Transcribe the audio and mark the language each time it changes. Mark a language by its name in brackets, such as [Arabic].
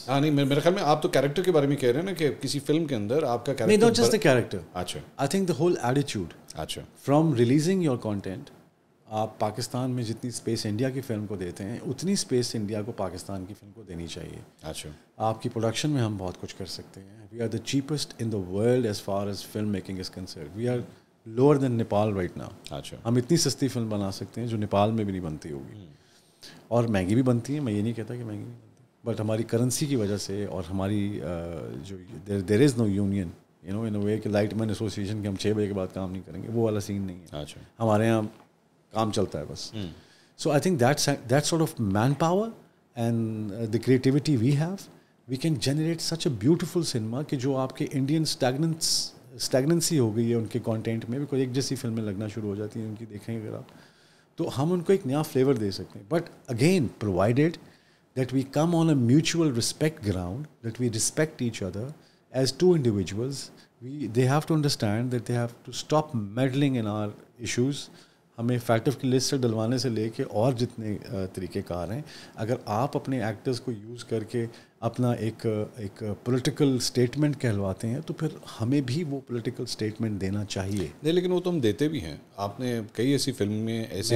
[Urdu] ہاں نہیں, میرے خیال میں آپ تو کیریکٹر کے بارے میں کہہ رہے ہیں نا کہ کسی فلم کے اندر آپ کا کیریکٹر, [English] نہیں just the character. [Urdu] اچھا, [English] I think the whole attitude. [Urdu] اچھا, [English] from releasing your content [Urdu] آپ پاکستان میں جتنی اسپیس انڈیا کی فلم کو دیتے ہیں اتنی اسپیس انڈیا کو پاکستان کی فلم کو دینی چاہیے. اچھا, آپ کی پروڈکشن میں ہم بہت کچھ کر سکتے ہیں. [English] We are the cheapest in the world as far as film making is concerned. We are lower than Nepal right now. [Urdu] اچھا, ہم اتنی سستی فلم بنا سکتے ہیں جو نیپال میں بھی نہیں بنتی ہوگی, اور مہنگی بھی بنتی ہیں. میں یہ نہیں کہتا کہ مہنگی نہیں بنتی, بٹ ہماری کرنسی کی وجہ سے اور ہماری جو [English] there is no union, you know in a way [Urdu] کہ لائٹ مین ایسوسی ایشن کے ہم 6 بجے کے بعد کام نہیں کریں گے, وہ والا سین نہیں ہے. اچھا, ہمارے یہاں کام چلتا ہے بس. [English] so I think that sort of man power and the creativity we have, we can generate such a beautiful cinema [Urdu] کہ جو آپ کے انڈین اسٹیگننسی ہو گئی ہے ان کے کانٹینٹ میں, بیکاز ایک جیسی فلمیں لگنا شروع ہو جاتی ہیں ان کی, دیکھیں اگر آپ, تو ہم ان کو ایک نیا فلیور دے سکتے ہیں. [English] But again provided that we come on a mutual respect ground, that we respect each other as to individuals, they have to understand that they have to stop meddling in our issues. [Urdu] ہمیں factor کی list سے ڈلوانے سے لے کے اور جتنے طریقے کار ہیں, اگر آپ اپنے ایکٹرز کو یوز کر کے اپنا ایک پولیٹیکل اسٹیٹمنٹ کہلواتے ہیں تو پھر ہمیں بھی وہ پولیٹیکل اسٹیٹمنٹ دینا چاہیے. نہیں لیکن وہ تو ہم دیتے بھی ہیں, آپ نے کئی ایسی فلمیں ایسے